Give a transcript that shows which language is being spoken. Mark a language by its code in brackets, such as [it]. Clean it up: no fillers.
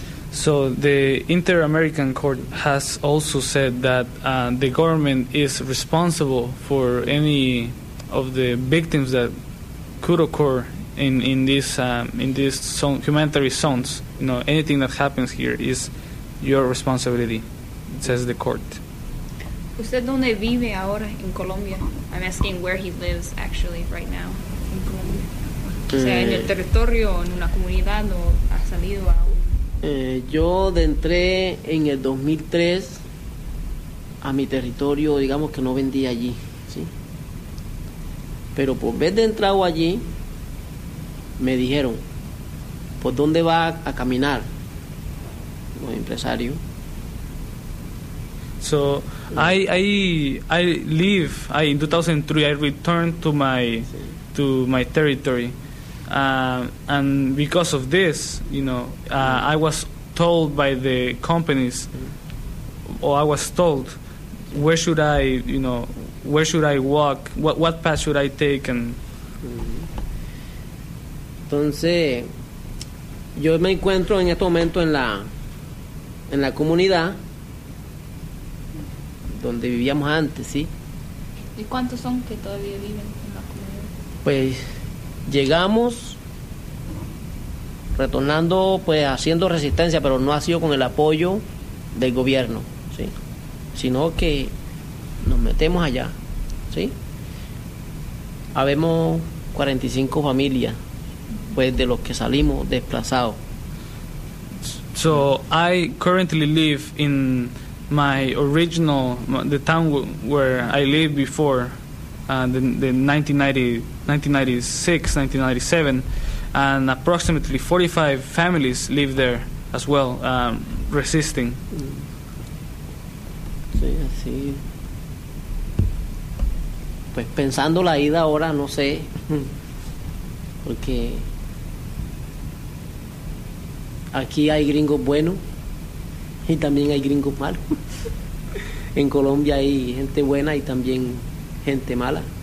[en] So the Inter-American Court has also said that the government is responsible for any of the victims that could occur in these humanitarian zones, you know, anything that happens here is your responsibility. says the court. [es] ¿Usted dónde vive ahora en Colombia? [en] I'm asking where he lives actually right now in Colombia. [es] ¿Sea en el territorio, en una comunidad, o ha salido aún? Yo entré en el 2003 a mi territorio, digamos que no vendí allí, ¿sí? Pero por vez de entrado allí, me dijeron, ¿por dónde va a caminar los empresarios? [en] So I leave. In 2003 I returned to my territory, and because of this, you know, I was told by the companies, or I was told, where should I, you know, where should I walk? What path should I take? And [es] entonces, yo me encuentro en este momento en la comunidad donde vivíamos antes, ¿sí? ¿Y cuántos son que todavía viven en la comunidad? Pues llegamos retornando, pues haciendo resistencia, pero no ha sido con el apoyo del gobierno, ¿sí? Sino que nos metemos allá, ¿sí? Habemos 45 familias, pues de los que salimos desplazados. [en] So I currently live in my original, the town where I lived before, the 1996, 1997, and approximately 45 families live there as well, resisting. [es] Sí, así. Pues pensando la ida ahora, no sé, porque aquí hay gringos buenos. Y también hay gringos malos. En Colombia hay gente buena y también gente mala.